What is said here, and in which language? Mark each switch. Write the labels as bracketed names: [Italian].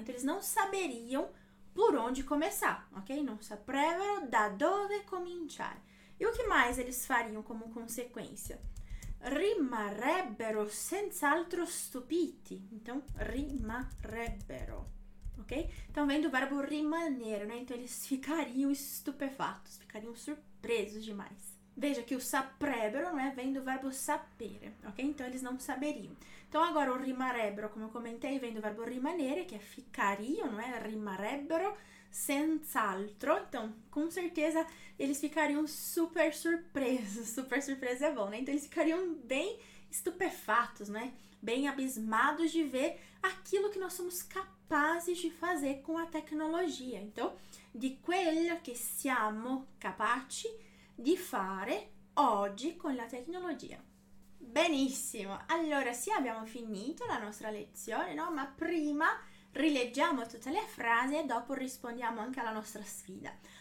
[Portuguese] Então, eles não saberiam por onde começar, ok? [Italian] Non saprebbero da dove cominciare. [Portuguese] E o que mais eles fariam como consequência? [Italian] Rimarrebbero senz'altro stupiti. [Portuguese] Então, rimarrebbero. Ok? Então vem do verbo rimanere, né? Então eles ficariam estupefatos, ficariam surpresos demais. Veja que o saprebbero, né, vem do verbo sapere, ok? Então eles não saberiam. Então agora o rimarrebbero, como eu comentei, vem do verbo rimanere, que é ficariam, não é? [Italian] Rimarrebbero senz'altro. [Portuguese] Então, com certeza eles ficariam super surpresos. Super surpresa é bom, né? Então eles ficariam bem estupefatos, né? Bem abismados de ver aquilo que nós somos capazes de fazer com a tecnologia. [Italian] Então, di quello che siamo capaci di fare oggi con la tecnologia. Benissimo. Allora, sì, abbiamo finito la nostra lezione, no? Ma prima rileggiamo tutte le frasi e dopo rispondiamo anche alla nostra sfida.